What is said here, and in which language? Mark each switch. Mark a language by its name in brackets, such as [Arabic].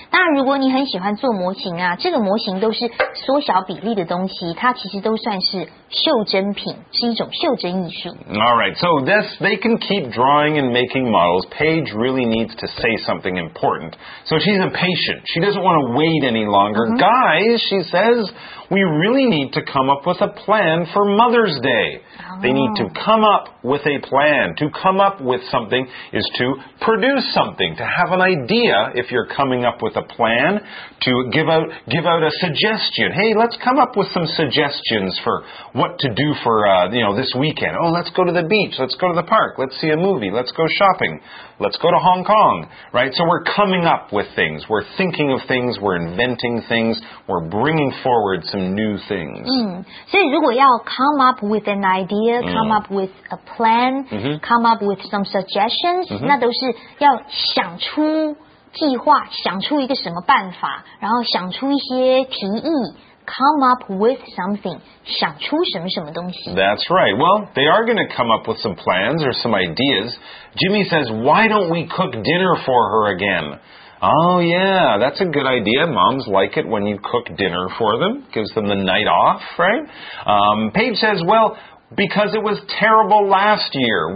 [Chinese] 那如果你很喜欢做模型啊，这个模型都是缩小比例的东西，它其实都算是袖珍品，是一种袖珍艺术。 [English] All right, so this, they can keep drawing and making models. Paige really needs to say something important. So she's impatient. She doesn't want to wait any longer. Mm-hmm. Guys, she says, we really need to come up with a plan for Mother's Day. They need to come up with a plan. To come up with something is to produce something, to have an idea if you're coming up with a plan, to give out a suggestion. Hey, let's come up with some suggestions for what to do for this weekend. Oh, let's go to the beach. Let's go to the park. Let's see a movie. Let's go shopping. Let's go to Hong Kong. Right? So we're coming up with things. We're thinking of things. We're inventing things. We're bringing forward some new things. So if you want to come up with an idea, come up with a plan, come up with some suggestions, [Chinese] 那都是要想出计划，想出一个什么办法，然后想出一些提议。 [English] Come up with something, [Chinese] 想出什么什么东西。 [English] That's right. Well, they are going to come up with some plans or some ideas. Jimmy says, why don't we cook dinner for her again? Oh, yeah, that's a good idea. Moms like it when you cook dinner for them. Gives them the night off, right? Paige says, well, because it was terrible last year.